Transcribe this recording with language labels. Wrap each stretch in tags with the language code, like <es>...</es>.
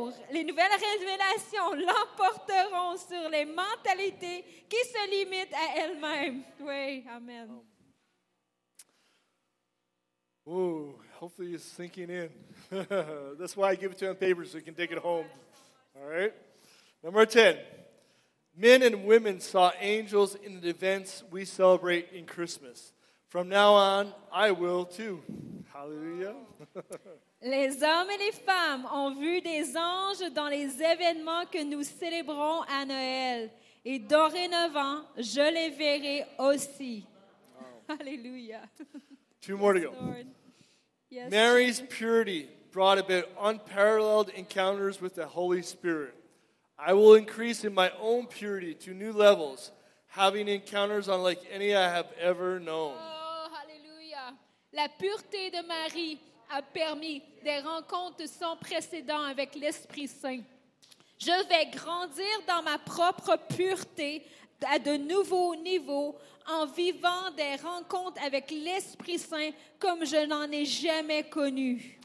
<fr>Les nouvelles révélations l'emporteront sur les mentalités qui se limitent à elles-mêmes. Oui, amen.</fr> <en>Oh, hopefully it's sinking in. That's why I give it to you on paper so you can take it home. All right. Number 10. Men and women saw angels in the events we celebrate in Christmas. From now on, I will too. Hallelujah.</en> <fr>Les hommes et les femmes ont vu des anges dans les événements que nous célébrons à Noël. Et dorénavant, je les verrai aussi.</fr> <en>Wow. Hallelujah. Two more to go. Yes, Mary's purity brought about unparalleled encounters with the Holy Spirit. I will increase in my own purity to new levels, having encounters unlike any I have ever known. Oh, hallelujah.</en> <fr>La pureté de Marie a permis des rencontres sans précédent avec l'Esprit Saint. Je vais grandir dans ma propre pureté à de nouveaux niveaux en vivant des rencontres avec l'Esprit Saint comme je n'en ai jamais connu.</fr>